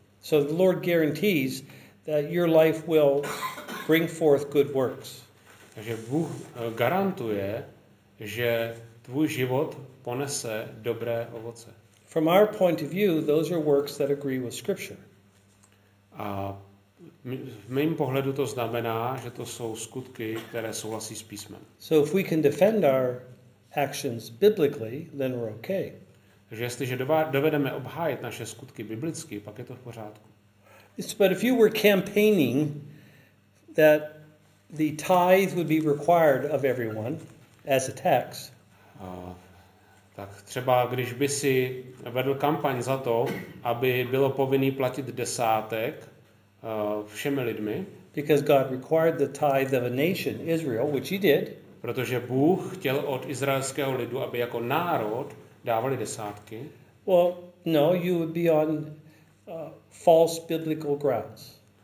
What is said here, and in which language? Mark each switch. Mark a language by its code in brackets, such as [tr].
[en] So the Lord guarantees that your life will bring forth good works. [cs] Takže Bůh garantuje, že tvůj život ponese dobré ovoce. [en] From our point of view, those are works that agree with scripture. [cs] A v mém pohledu to znamená, že to jsou skutky, které souhlasí s písmem. [en] So if we can defend our actions biblically, then we're okay. [cs] Takže jestliže dovedeme obhájit naše skutky biblicky, pak je to v pořádku. [en] But if you were campaigning that the tithe would be required of everyone as a tax. [cs] Tak třeba když by si vedl kampaň za to, aby bylo povinný platit desátek všemi lidmi. [en] Because God required the tithe of a nation, Israel, which he did. [cs] Protože Bůh chtěl od izraelského lidu, aby jako národ dávali desátky. [en] Well, no, you would be on false biblical grounds.